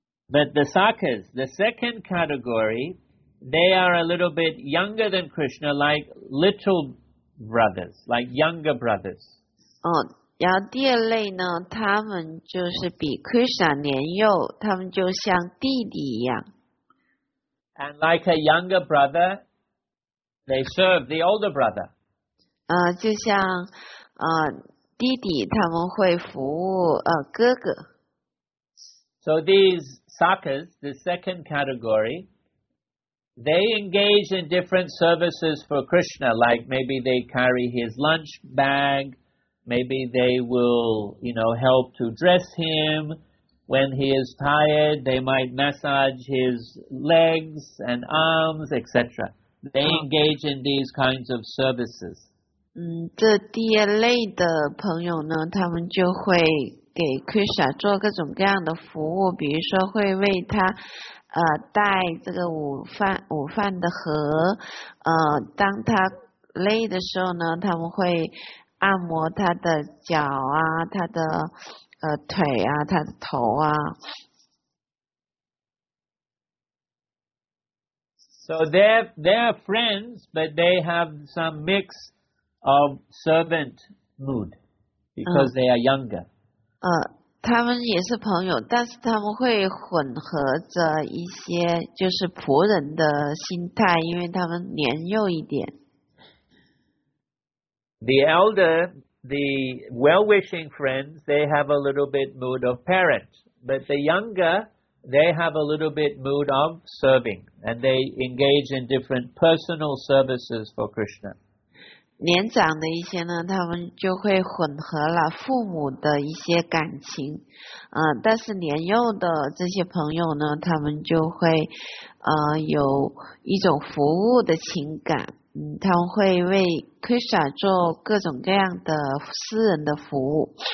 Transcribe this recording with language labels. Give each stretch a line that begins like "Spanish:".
English: But the Sakas, the second category, they are a little bit younger than Krishna, like little brothers, like younger brothers.
Chinese: 然后第二类呢，他们就是比 Krishna 年幼，他们就像弟弟一样。
English: And like a younger brother, they serve the older brother.
Chinese: 就像弟弟，他们会服务哥哥。
English: So these Sakas, the second category,they engage in different services for Krishna, like maybe they carry his lunch bag, maybe they will, you know, help to dress him when he is tired, they might massage his legs and arms, etc. They engage in these kinds of services.
Chinese: 这第二类的朋友呢，他们就会给 Krishna 做各种各样的服务，比如说会为他带这个午饭的盒，当他累的时候呢，他们会按摩他的脚啊，他的腿啊，他的头啊。
English: So they're friends, but they have some mix of servant mood because they are younger.
Chinese: 他们也是朋友，但是他们会混合着一些就是仆人的心态，因为他们年幼一点。
English: The elder, the well-wishing friends, they have a little bit mood of parent, but the younger, they have a little bit mood of serving, and they engage in different personal services for Krishna.
Chinese: 年长的一些呢，他们就会混合了父母的一些感情，但是年幼的这些朋友呢，他们就会，有一种服务的情感，他们会为 Krishna 做各种各样的私人的服务。